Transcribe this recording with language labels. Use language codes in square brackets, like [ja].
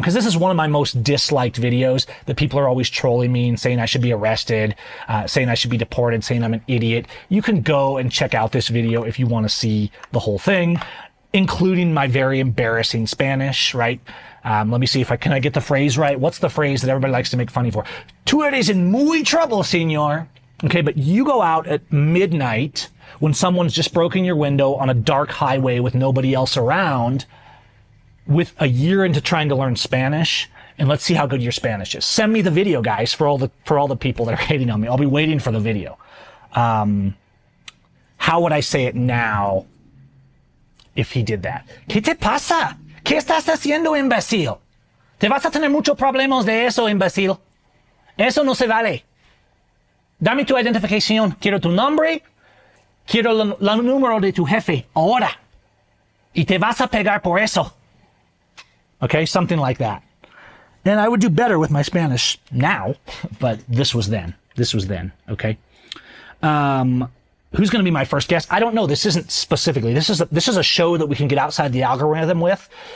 [en] Cause this is one of my most disliked videos, that people are always trolling me and saying I should be arrested, saying I should be deported, saying I'm an idiot. You can go and check out this video if you want to see the whole thing, including my very embarrassing Spanish, right? Let me see if I can I get the phrase right. What's the phrase that everybody likes to make funny for? [es] Tú eres en muy trouble, señor. [en] Okay, but you go out at midnight when someone's just broken your window on a dark highway with nobody else around with a year into trying to learn Spanish, and let's see how good your Spanish is. Send me the video, guys, for all the people that are hating on me. I'll be waiting for the video. How would I say it now if he did that? [es] ¿Qué te pasa? ¿Qué estás haciendo, imbécil? ¿Te vas a tener muchos problemas de eso, imbécil? Eso no se vale. Dame tu identificación. Quiero tu nombre. Quiero el número de tu jefe. Ahora. Y te vas a pegar por eso. [en] Okay, something like that. And I would do better with my Spanish now, but this was then. This was then, okay? Who's going to be my first guest? I don't know. This isn't specifically. This is a show that we can get outside the algorithm with.